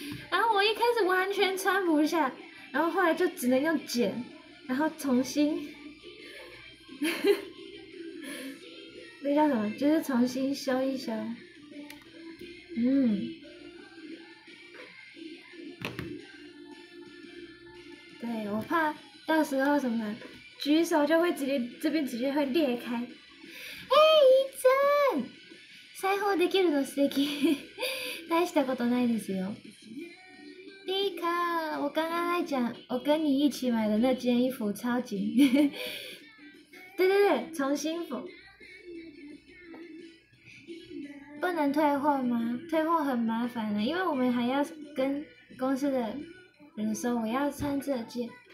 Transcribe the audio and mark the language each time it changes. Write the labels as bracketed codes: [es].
[zh] 然后我一开始完全穿不下，然后后来就只能用剪，然后重新那叫什么，就是重新修一修。嗯，对，我怕到时候什么举手就会直接，这边直接会裂开。 [ja] 一真，裁縫できるの素敵。大したことないですよ。 [zh] リカ，我刚刚在讲，我跟你一起买的那件衣服超紧。对对对，重新缝。不能退货吗？退货很麻烦的，因为我们还要跟公司的人说我要穿这件。